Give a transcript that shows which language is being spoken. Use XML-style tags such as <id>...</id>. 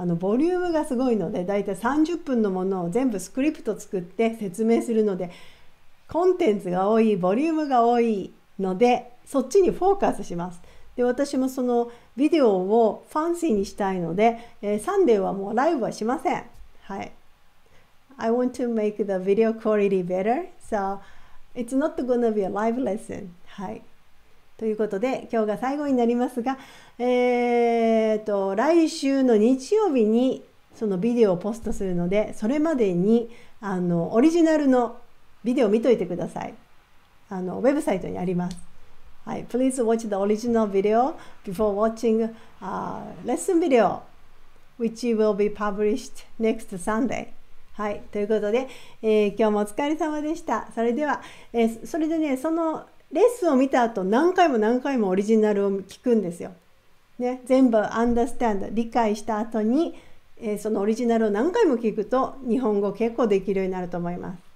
<ja>ボリュームがすごいので、だいたい30分のものを全部スクリプト作って説明するので、コンテンツが多い、ボリュームが多いので、そっちにフォーカスします。で、私もそのビデオをファンシーにしたいので、サンデーはもうライブはしません。はい。</ja> <en>I want to make the video quality better, so it's not gonna be a live lesson.</en> <ja>はい。ということで、今日が最後になりますが、来週の日曜日にそのビデオをポストするので、それまでにオリジナルのビデオを見といてください。ウェブサイトにあります。はい。</ja> <en>Please watch the original video before watching lesson video, which will be published next Sunday.</en> <ja>はい。ということで、今日もお疲れ様でした。それでは、それでね、そのレッスンを見た後、何回も何回もオリジナルを聞くんですよ。ね。全部</ja> <en>understand、</en> <ja>理解した後に、そのオリジナルを何回も聞くと、日本語結構できるようになると思います。</ja>